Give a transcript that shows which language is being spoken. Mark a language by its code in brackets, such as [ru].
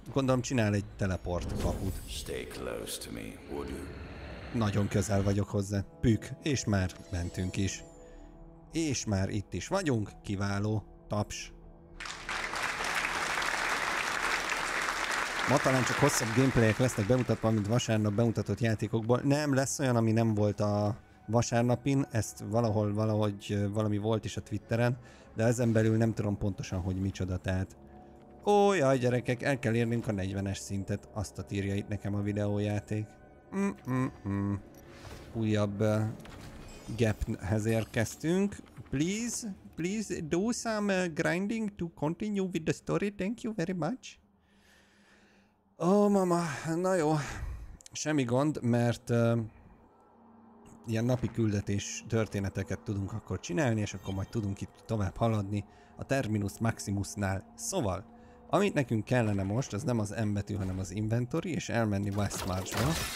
[hu] Gondolom csinál egy teleport kaput. [en] Stay close to me, would you? [hu] Nagyon közel vagyok hozzá. Pük, és már mentünk is. És már itt is vagyunk. Kiváló. Taps. Ma talán csak hosszabb gameplayek lesznek bemutatva, mint vasárnap bemutatott játékokból. Nem, lesz olyan, ami nem volt a vasárnapin, ezt valahol, valahogy valami volt is a Twitteren, de ezen belül nem tudom pontosan, hogy micsoda, tehát... Ó, jaj, gyerekek, el kell érnünk a 40-es szintet, azt a írja itt nekem a videójáték. Újabb gaphez érkeztünk. [en] Please do some grinding to continue with the story, thank you very much. [hu] Ó, mama, na jó, semmi gond, mert ilyen napi küldetés történeteket tudunk akkor csinálni, és akkor majd tudunk itt tovább haladni a Terminus Maximusnál. Szóval, amit nekünk kellene most, az nem az M betű, hanem az Inventory, és elmenni Westmarch-ba.